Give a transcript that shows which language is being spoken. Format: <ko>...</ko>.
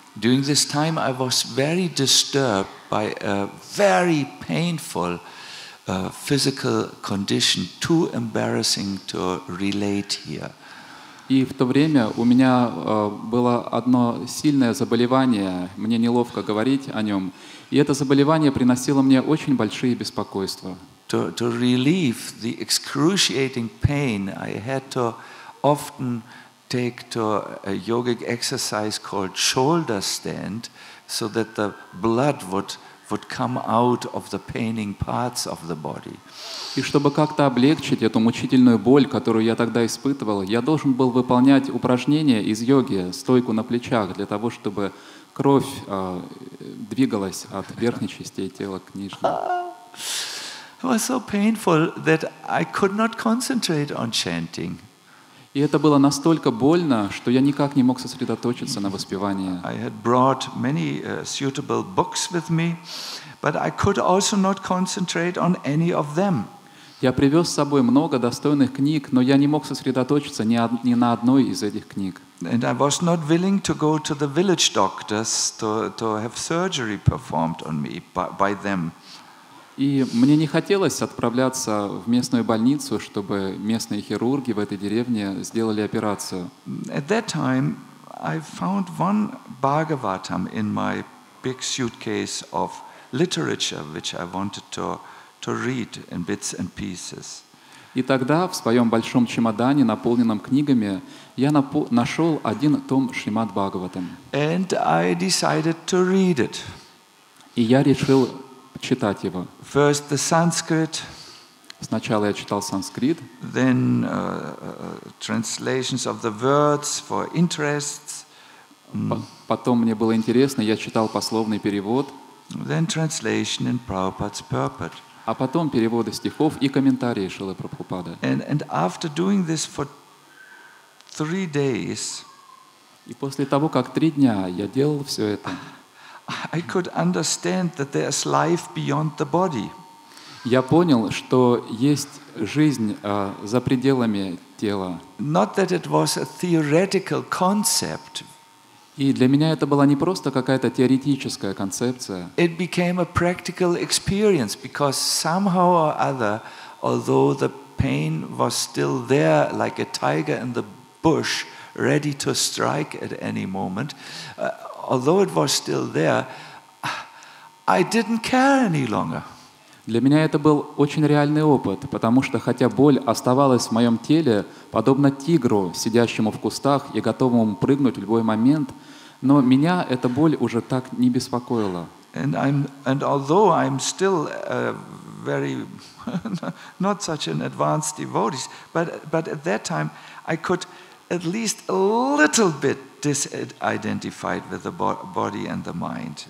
<en>During this time I was very disturbed by a very painful physical condition, too embarrassing to relate here.</en> <ru>И в то время у меня было одно сильное заболевание, мне неловко говорить о нем. И это заболевание приносило мне очень большие беспокойства.</ru> <en>To relieve the excruciating pain, I had to often take to a yogic exercise called shoulder stand so that the blood would come out of the paining parts of the body.</en> <ru>И чтобы как-то облегчить эту мучительную боль, которую я тогда испытывал, я должен был выполнять упражнения из йоги, стойку на плечах, для того, чтобы кровь двигалась от верхней частей тела к нижней.</ru> <en>It was so painful that I could not concentrate on chanting.</en> <ru>И это было настолько больно, что я никак не мог сосредоточиться на воспевании.</ru> <en>I had brought many suitable books with me, but I could also not concentrate on any of them.</en> <ru>Я привез с собой много достойных книг, но я не мог сосредоточиться ни на одной из этих книг.</ru> <en>And I was not willing to go to the village doctors to have surgery performed on me by them.</en> <ru>И мне не хотелось отправляться в местную больницу, чтобы местные хирурги в этой деревне сделали операцию.</ru> <en>At that time, I found one Bhagavatam in my big suitcase of literature, which I wanted to read in bits and pieces.</en> <ru>И тогда в своем большом чемодане, наполненном книгами, я нашел один том Шримад Бхагаватам.</ru> <en>And I decided to read it.</en> <ru>И я решил читать его.</ru> <en>First the Sanskrit.</en> <ru>Сначала я читал санскрит.</ru> <en>Then translations of the words for interests.</en> <ru>Потом мне было интересно, я читал пословный перевод.</ru> <en>Then translation in Prabhupada's purport.</en> <ru>А потом переводы стихов и комментарии Шрилы Прабхупады.</ru> <en>And after doing this for 3 days.</en> <ru>И после того, как 3 дня я делал все это.</ru> <en>I could understand that there is life beyond the body.</en> <ru>Я понял, что есть жизнь за пределами тела.</ru> <en>Not that it was a theoretical concept.</en> <ru>И для меня это была не просто какая-то теоретическая концепция.</ru> <en>It became a practical experience because somehow or other, although the pain was still there, like a tiger in the bush, ready to strike at any moment. Although it was still there, I didn't care any longer.</en> <ru>Для меня это был очень реальный опыт, потому что хотя боль оставалась в моем теле, подобно тигру, сидящему в кустах и готовому прыгнуть в любой момент, но меня эта боль уже так не беспокоила.</ru> <en>And although I'm still very not such an advanced devotee, but at that time I could at least a little bit disidentified with the body and the mind.</en>